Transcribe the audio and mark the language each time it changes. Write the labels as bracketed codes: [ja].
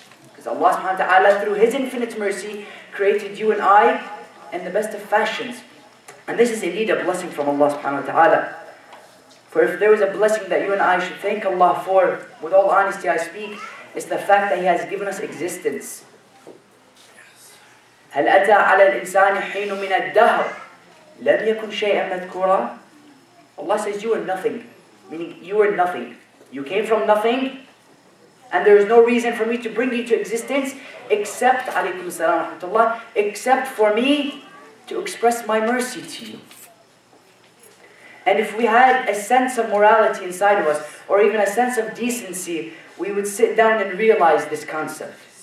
[en] Because Allah subhanahu wa ta'ala, through His infinite mercy, created you and I in the best of fashions. And this is indeed a blessing from Allah subhanahu wa ta'ala. For if there was a blessing that you and I should thank Allah for, with all honesty I speak, it's the fact that He has given us existence. [ar] هَلْ أَتَى عَلَى الْإِنسَانِ حِينُ مِنَ الدَّهْرِ لَمْ يَكُنْ شَيْئًا مَذْكُورًا [en] Allah says, you are nothing. Meaning, you are nothing. You came from nothing, and there is no reason for me to bring you to existence except, [ar] عليكم السلام ورحمة الله, [en] except for me to express my mercy to you. And if we had a sense of morality inside of us, or even a sense of decency, we would sit down and realize this concept.